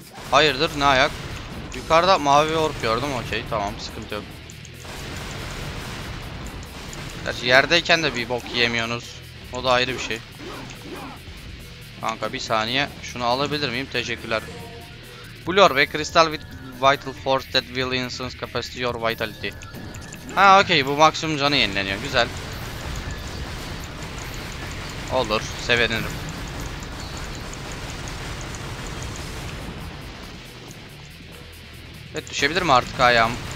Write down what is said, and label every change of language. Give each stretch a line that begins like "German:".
Turkish: Hayırdır, ne ayak? Yukarıda mavi orb gördüm, okey, tamam, sıkıntı yok. Gerçi yerdeyken de bir bok yemiyorsunuz. O da ayrı bir şey. Kanka bir saniye, şunu alabilir miyim? Teşekkürler.
English: Blue orb, a crystal with vital force that will instance capacity your vitality.
Turkish: Ha okey, bu maksimum canı yenileniyor, güzel. Olur, sevinirim. Evet, düşebilir mi artık ayağım?